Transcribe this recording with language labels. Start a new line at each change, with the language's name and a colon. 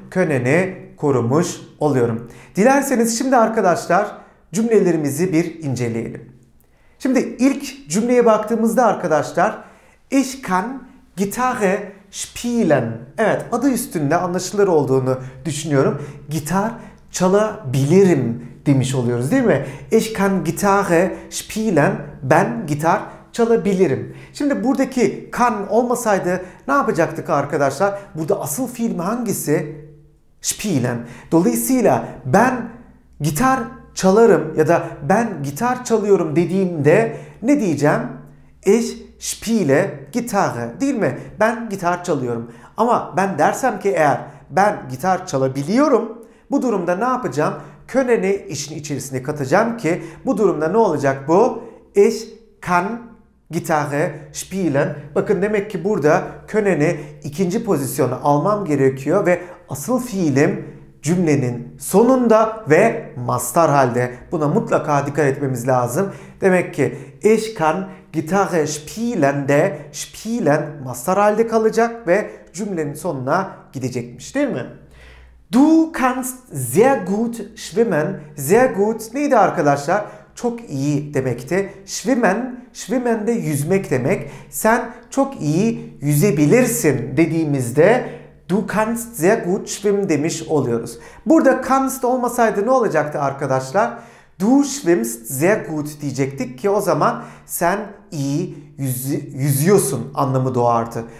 Turkish: Können'i korumuş oluyorum. Dilerseniz şimdi arkadaşlar cümlelerimizi bir inceleyelim. Şimdi ilk cümleye baktığımızda arkadaşlar
German: ich kann Gitarre spielen.
Turkish: Evet, adı üstünde anlaşılır olduğunu düşünüyorum. Gitar çalabilirim demiş oluyoruz değil mi?
German: Ich kann Gitarre spielen,
Turkish: ben gitar çalabilirim. Şimdi buradaki kann olmasaydı ne yapacaktık arkadaşlar? Burada asıl fiil hangisi? Spielen. Dolayısıyla ben gitar çalarım ya da ben gitar çalıyorum dediğimde ne diyeceğim?
German: Ich spiele Gitarre
Turkish: değil mi? Ben gitar çalıyorum. Ama ben dersem ki eğer ben gitar çalabiliyorum, bu durumda ne yapacağım? Können'i işin içerisine katacağım ki bu durumda ne olacak bu?
German: Ich kann Gitarre spielen.
Turkish: Bakın demek ki burada können'i ikinci pozisyona almam gerekiyor ve asıl fiilim cümlenin sonunda ve mastar halde. Buna mutlaka dikkat etmemiz lazım. Demek ki
German: ich kann Gitarre spielen
Turkish: de spielen mastar halde kalacak ve cümlenin sonuna gidecekmiş değil mi?
German: Du kannst sehr gut schwimmen.
Turkish: Sehr gut neydi arkadaşlar? Çok iyi demekti. Schwimmen, schwimmen de yüzmek demek. Sen çok iyi yüzebilirsin dediğimizde
German: du kannst sehr gut schwimmen
Turkish: demiş oluyoruz. Burada kannst olmasaydı ne olacaktı arkadaşlar?
German: Du schwimmst sehr gut
Turkish: diyecektik ki o zaman sen iyi yüzüyorsun anlamı doğardı.